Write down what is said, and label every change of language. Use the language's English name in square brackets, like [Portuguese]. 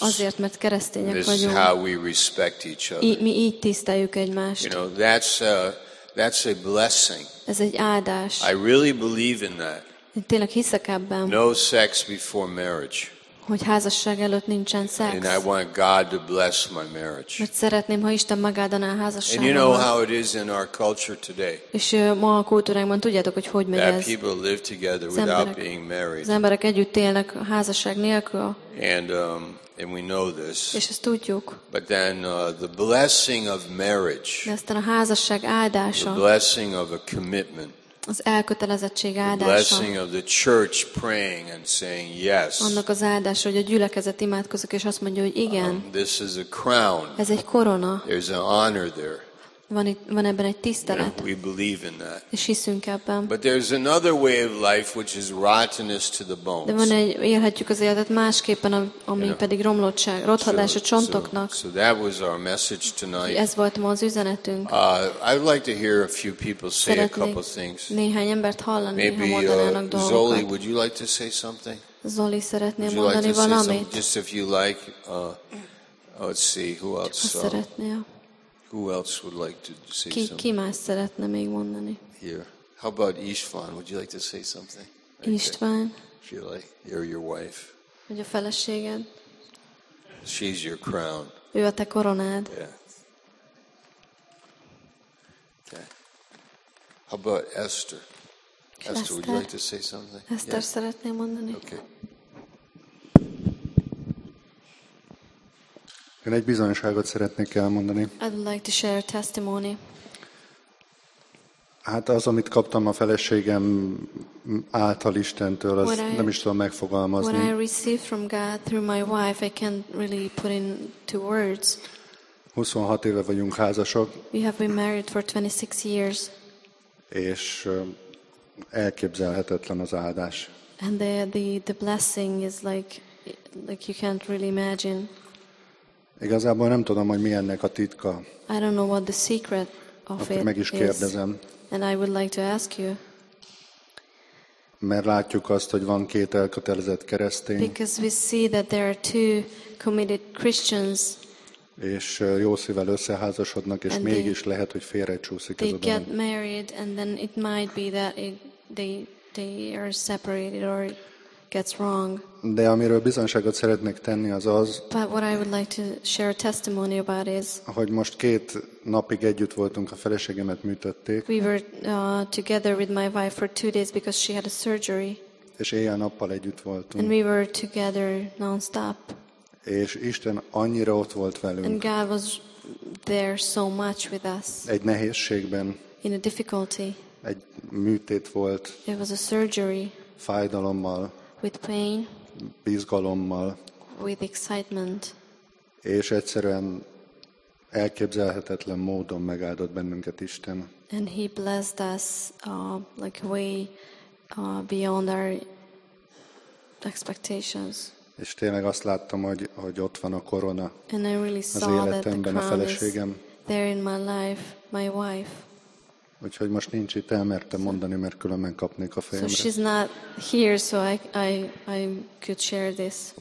[Hungarian] Azért, mert keresztények [English] this [Hungarian] vagyunk. [English] This is how we respect each other. [Hungarian] Mi így tiszteljük egymást. [English] You know, that's a blessing. [Hungarian] Ez egy áldás. [English] I really believe in that. [Hungarian] Én tényleg hiszek ebben. [English] No sex before marriage. [Hungarian] Hogy házasság előtt nincsen szex. [English] And I want God to bless my marriage. [Hungarian] Mert szeretném, ha Isten megáldaná a házasságomat. [English] And you know how it is in our culture today. [Hungarian] És ma a kultúránkban tudjátok, hogy hogy megy ez. [English] That people live together without being married. [Hungarian] Az emberek együtt élnek a házasság nélkül. [English] And we know this. [Hungarian] És ezt tudjuk. [English] But then the blessing of marriage. [Hungarian] De aztán a házasság áldása. [English] The blessing of a commitment. [Hungarian] Az elkötelezettség áldása. [English] The blessing of the church praying and saying yes. [Hungarian] Annak az áldása, hogy a gyülekezet imádkozik és azt mondja, hogy igen. [English] This is a crown. [Hungarian] Ez egy korona. [English] There's an honor there. [Hungarian] Van ebben egy tisztelet. [English] We believe in that. [Hungarian] És hiszünk ebben. [English] But there's another way of life which is rottenness to the bones. [Hungarian] De van egy élhetjük az életet másképpen, ami pedig romlottság, rothadás a csontoknak. [English] So that was our message tonight. [Hungarian] Ez volt ma az üzenetünk. [English] I'd like to hear a few people say a couple things. [Hungarian] Néhány embert hallani, ha mondanának dolgokat. [English] Maybe Zoli, would you like to say something? [Hungarian] Zoli szeretné mondani valamit. [English] Just if you like, let's see who else. [Hungarian] Csak szeretné. [English] Who else would like to say something? [Hungarian] Ki más szeretne még mondani? [English] Here. How about István? Would you like to say something? [Hungarian] István. [English] If you like. You're your wife. [Hungarian] Vagy a feleséged. [English] She's your crown. [Hungarian] Ő a te koronád. [English] Yeah. Okay. How about Esther? Esther, would you like to say something? [Hungarian] Esther szeretné mondani. Én egy bizonyságot szeretnék elmondani. [English] I'd like to share a testimony. [Hungarian] Hát az, amit kaptam a feleségem által Istentől, azt nem is tudom megfogalmazni. [English] What I received from God through my wife, I can't really put into words. [Hungarian] 26 éve vagyunk házasok. [English] We have been married for 26 years. [Hungarian] És elképzelhetetlen az áldás. [English] And the blessing is like you can't really imagine. [Hungarian] Igazából nem tudom, hogy mi ennek a titka. [English] I don't know what the secret of it is. [Hungarian] Meg is kérdezem. [English] And I would like to ask you. [Hungarian] Mert látjuk azt, hogy van két elkötelezett keresztény. [English] Because we see that there are two committed Christians. [Hungarian] És jó szívvel összeházasodnak, és mégis lehet, hogy félrecsúszik ez a dolog. [English] They get married and then it might be that they are separated or gets wrong. [Hungarian] De amiről bizonyságot szeretnék tenni az, [English] but what I would like to share a testimony about is, [Hungarian] hogy most két napig együtt voltunk, a feleségemet műtötték. [English] We were together with my wife for 2 days because she had a surgery. [Hungarian] És éjjel-nappal együtt voltunk. [English] And we were together non-stop. [Hungarian] És Isten annyira ott volt velünk. [English] And God was there so much with us. [Hungarian] Egy nehézségben. [English] In a difficulty. [Hungarian] Egy műtét volt. [English] It was a surgery. [Hungarian] Fájdalommal. [English] With pain, [Hungarian] bizgalommal, [English] with excitement, [Hungarian] és egyszerűen elképzelhetetlen módon megáldott bennünket Isten. [English] And he blessed us like way beyond our expectations. [Hungarian] És tényleg azt láttam, hogy ott van a korona. [English] And I really saw [Hungarian] az életemben [English] that the crown [Hungarian] a feleségem. [English] Is there in my life, my wife. [Hungarian] Úgyhogy most nincs itt, elmertem mondani, mert különben kapnék a fejemre. [English] So she's not here, so I could share this.